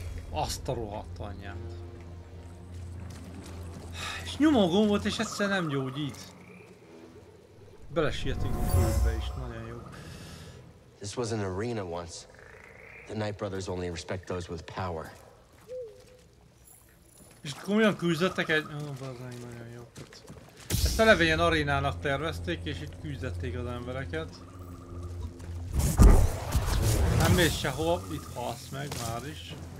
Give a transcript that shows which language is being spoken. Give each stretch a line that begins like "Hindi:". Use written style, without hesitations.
Hungarian: Azt a rohadt anyját. És nyomom a gombot és egyszer nem gyógyít. Belesietünk a körbe is, nagyon jó.
English: This was an arena once. The Knight Brothers only respect those with power.
Hungarian: És komolyan küzdöttek egy... Ó, bazány, nagyon jó. Ezt eleve ilyen arénának tervezték, és itt küzdették az embereket. Nem mész sehova, itt halsz meg már is.